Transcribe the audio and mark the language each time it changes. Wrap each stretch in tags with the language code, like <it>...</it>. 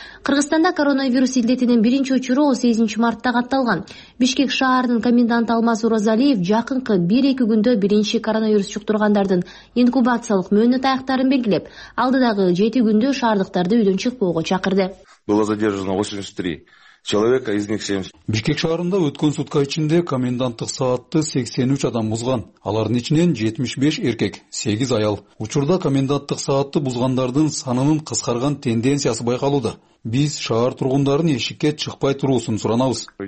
<ky>Кыргызстанда коронавирус илдетинин биринчи учуру 18 мартта катталган. Бишкек шаарынын коменданты Алмаз Уразалиев жакынкы 1-2 күндө биринчи коронавирус жуктургандардын инкубациялык мөөнөт аяктарын белгилеп, алдыдагы 7 күндө шаардыктарды үйдөн чыкпоого чакырды.</ky> <ru>Было задержано 83 человека, из них 70.</ru> <ky>Бишкек шаарында өткөн сутка ичинде коменданттык саатты 83 адам бузган. Алардын ичинен 75 эркек, 8 аял. Учурда коменданттык саатты бузгандардын санынын кыскарган тенденциясы байкалууда. Биз шаар тургундарын эшикке чыкпай туруусун суранабыз.</ky>